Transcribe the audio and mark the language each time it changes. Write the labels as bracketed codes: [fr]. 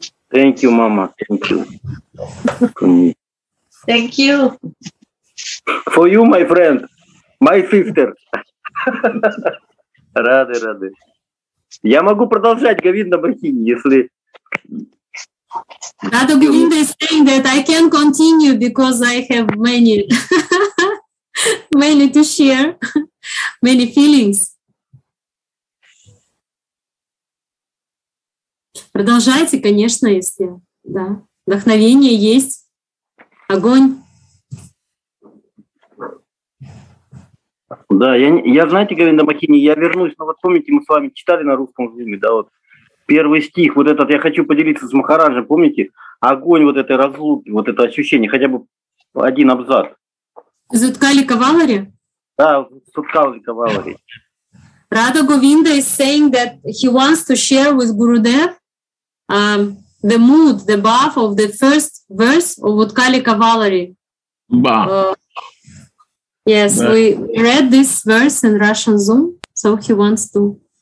[en] Thank you, mama. Thank you. Thank you. For you, my friend, my sister. [ru] Рады, рады. Я могу продолжать, Говинда Бахини, если. [en] Рада Говинда is saying that I can continue because I have many, many to share, many feelings. [ru] Продолжайте, конечно, если да. Вдохновение есть. Огонь. Да, я знаете, Говинда Бахини, я вернусь, но вот помните, мы с вами читали на русском зуме, да, вот первый стих, вот этот я хочу поделиться с Махараджем, помните? Огонь вот этой разлуки, вот это ощущение, хотя бы один абзац. Зуткали Кавалари? Да, Зуткали Кавалари. [en] Рада Говинда is saying that he wants to share with Gurudev the mood, the bath of the first verse of Utkali Kavalari. Yes, bah. We read this verse in Russian Zoom, so he wants to.